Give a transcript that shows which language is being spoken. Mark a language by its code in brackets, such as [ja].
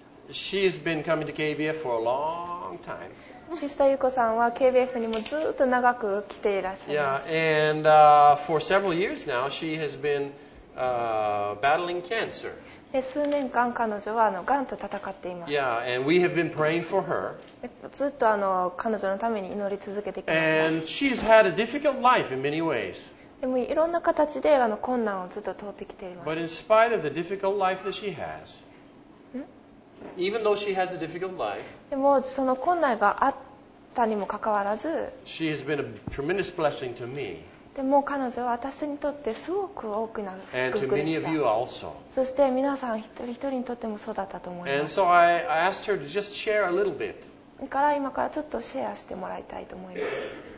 [en] She's been coming to KBF for a long time. [ja] ミスターユーコさんは KBF にもずっと長く来ていらっしゃいます。 [en] Yeah, and for several years now, she has been battling cancer. [ja] 数年間彼女はがんと戦っています。 [en] Yeah, and we have been praying for her. [ja] ずっと彼女のために祈り続けてきました。 [en] And she's had a difficult life in many ways. [ja] でもいろんな形で困難をずっと通ってきています。 [en] But in spite of the difficult life that she has,Even though she has a difficult life, [ja] でもその困難があったにもかかわらず、 [en] she has been a tremendous blessing to me. [ja] でも彼女は私にとってすごく大きな祝福でした。 [en] And to many of you also. [ja] そして皆さん一人一人にとってもそうだったと思います。 [en] And so I asked her to just share a little bit. [ja] だから今からちょっとシェアしてもらいたいと思います。